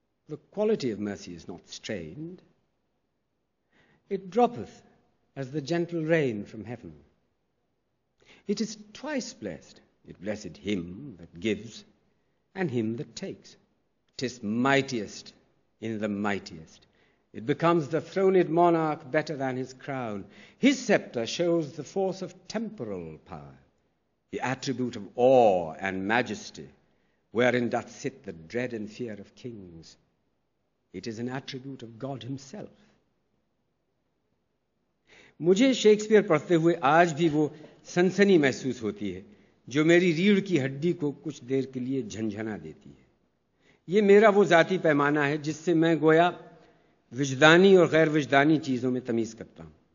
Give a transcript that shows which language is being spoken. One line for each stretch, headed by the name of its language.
English: The quality of mercy is not strained, it drops as the gentle rain from heaven. It is twice blessed, it blessed him that gives and him that takes. It is mightiest in the mightiest. It becomes the throned monarch better than his crown. His scepter shows the force of temporal power, the attribute of awe and majesty, wherein doth sit the dread and fear of kings. It is an attribute of God himself.
Hindi: मुझे Shakespeare पढ़ते हुए आज भी वो सनसनी महसूस होती है जो मेरी रीढ़ की हड्डी को कुछ देर के लिए झंझना देती है. ये मेरा वो जाती पैमाना है जिससे मैं गोया विजदानी और गैर विजदानी चीजों में तमीज करता हूं.